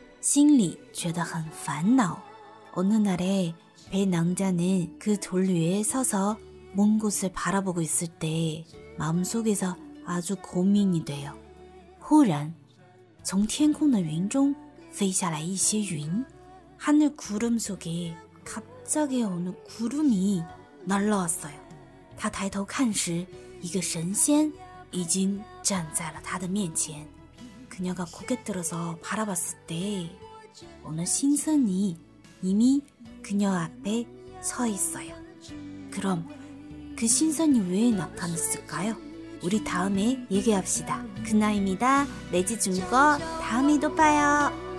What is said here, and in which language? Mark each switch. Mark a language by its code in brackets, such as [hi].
[zh] 有一天白娘子站在那块石头上观望心里觉得很烦恼。 [ko] 어느 날에 배낭자는 그 돌 위에 서서 먼 곳을 바라보고 있을 때 마음속에서 아주 고민이 돼요. [zh] 忽然从天空的云中飞下来一些云。 [ko] 하늘 구름 속에 갑자기 어느 구름이 날라왔어요. [zh] 他抬头看时一个神仙已经站在了他的面前。 [ko] 그녀가 고개 들어서 바라봤을 때 어느 신선이 이미 그녀 앞에 서 있어요. 그럼 그 신선이 왜 나타났을까요? 우리 다음에 얘기합시다. 그나입니다. 내지 중거 다음에 또 봐요.